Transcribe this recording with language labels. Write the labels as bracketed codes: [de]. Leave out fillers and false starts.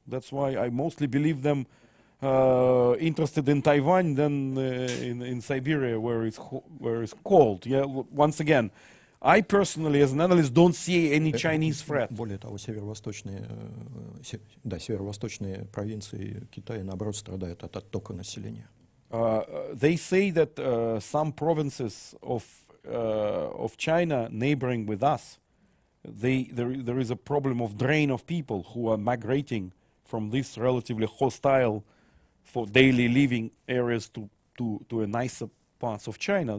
[en] That's why I mostly believe them interested in Taiwan than in Siberia, where it's cold. Yeah, once again. I personally, as an analyst, don't see any Chinese threat. [ru] Более того, северо-восточные провинции Китая, наоборот, страдают от оттока населения. [en] They say that some provinces of China, neighboring with us, there is a problem of drain of people who are migrating from this relatively hostile for daily living areas to a nicer parts of China.